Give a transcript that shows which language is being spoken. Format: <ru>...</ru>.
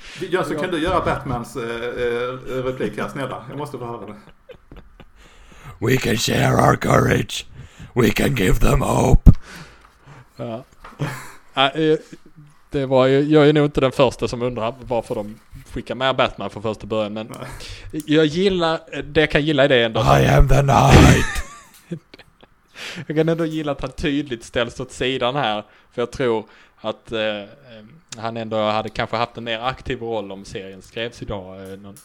<sv>Ja, så kan du göra Batmans replik här, snälla. Jag måste bara höra det.</sv> <en>We can share our courage. We can give them hope.</en> <sv>Ja. Det var ju, jag är nog inte den första som undrar varför de skickar med Batman från första början. Men jag gillar, det jag kan gilla i det ändå.</sv> <en>I am the night.</en> <sv>Jag kan ändå gilla att han tydligt ställs åt sidan här. För jag tror att han ändå hade kanske haft en mer aktiv roll om serien skrevs idag.</sv>